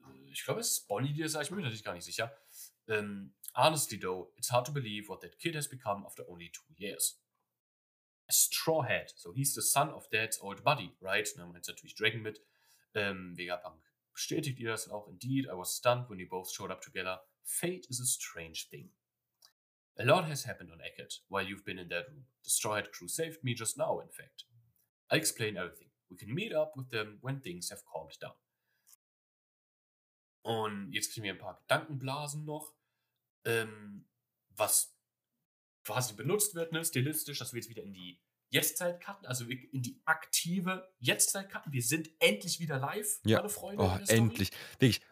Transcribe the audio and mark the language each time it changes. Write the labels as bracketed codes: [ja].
[de] Ich glaube, es ist Bonnie, die das sagt. Ich bin mir natürlich gar nicht sicher. [en] Honestly though, it's hard to believe what that kid has become after only 2 years. A straw hat. So he's the son of dad's old buddy, right? [de] Dann meint natürlich Dragon mit. Vegapunk bestätigt ihr das auch. [en] Indeed, I was stunned when you both showed up together. Fate is a strange thing. A lot has happened on Eckert while you've been in that room. The Straw Hat crew saved me just now, in fact. I'll explain everything. We can meet up with them when things have calmed down. [de] Und jetzt kriegen wir ein paar Gedankenblasen noch, was quasi benutzt wird, ne, stilistisch, dass wir jetzt wieder in die Jetztzeit cutten, also in die aktive Jetztzeit cutten. Wir sind endlich wieder live, ja, meine Freunde. Oh, endlich. Wirklich.